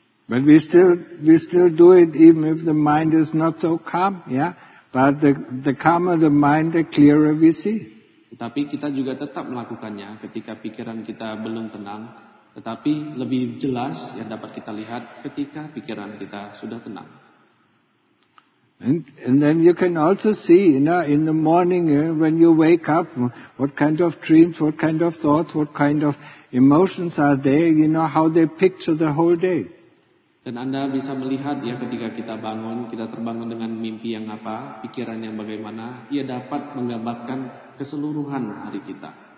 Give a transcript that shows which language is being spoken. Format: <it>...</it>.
<en>But we still do it even if the mind is not so calm, yeah. But the calmer the mind, the clearer we see.</en> <id>Tetapi kita juga tetap melakukannya ketika pikiran kita belum tenang, tetapi lebih jelas yang dapat kita lihat ketika pikiran kita sudah tenang.</id> <en>And then you can also see, you know, in the morning when you wake up, what kind of dreams, what kind of thoughts, what kind of emotions are there, you know, how they picture the whole day.</en> <id>Dan Anda bisa melihat, ya, ketika kita bangun, kita terbangun dengan mimpi yang apa, pikiran yang bagaimana, ia dapat menggambarkan keseluruhan hari kita.</id>